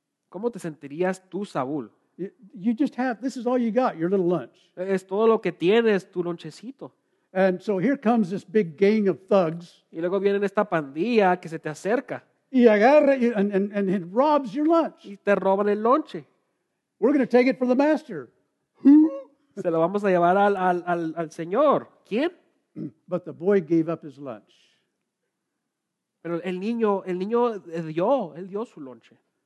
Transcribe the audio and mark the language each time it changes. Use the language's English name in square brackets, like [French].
[Spanish] ¿Cómo te sentirías tú, Saúl? [English] You just have, this is all you got, your little lunch. [Spanish] Es todo lo que tienes, tu lonchecito. [English] And so here comes this big gang of thugs. [Spanish] Y luego vienen esta pandilla que se te acerca. Y agarra, [English] and it robs your lunch. [Spanish] Y te roban el lonche. [English] We're going to take it for the master. [Spanish] Se lo vamos a llevar al señor. ¿Quién? [English] But the boy gave up his lunch. [Spanish] Pero el niño él dio su lonche.